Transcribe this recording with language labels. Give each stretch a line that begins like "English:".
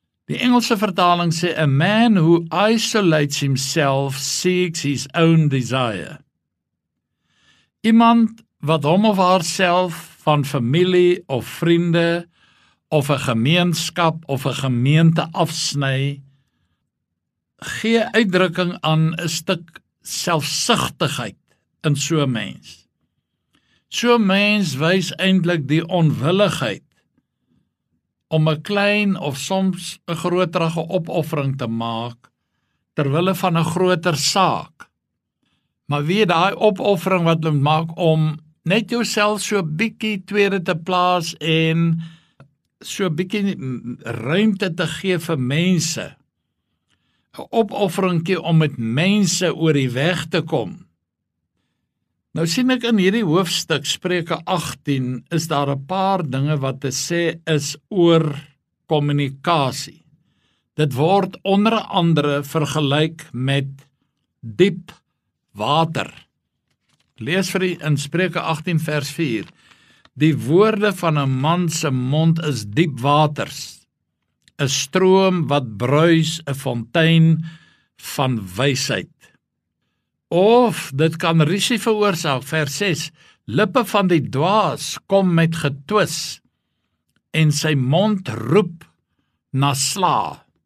Afrikaans: Die Engelse vertaling sê,
English: a man who isolates himself seeks his own desire.
Afrikaans: Iemand wat hom of haarself van familie of vriende of 'n gemeenskap of 'n gemeente afsny, gee uitdrukking aan 'n stuk selfsugtigheid in so 'n mens. So 'n mens wys eintlik die onwilligheid om 'n klein of soms 'n groterige opoffering te maak ter wille van 'n groter saak. Maar wie daai opoffering wat hulle maak om net jouself so 'n bietjie tweede te plaas en so 'n bietjie ruimte te gee vir mense. 'N opofferingkie om met mense oor die weg te kom. Nou sien ek in hierdie hoofstuk, Spreuke 18, is daar 'n paar dinge wat te sê is oor kommunikasie. Dit word onder andere vergelyk met diep water. Lees vir die in Spreuke 18 vers 4. Die woorde van 'n man se mond is diep waters, 'n stroom wat bruis, 'n fontein van wysheid. Of dit kan risie veroorsaak, vers 6. Lippe van die dwaas kom met getwis en sy mond roep na sla.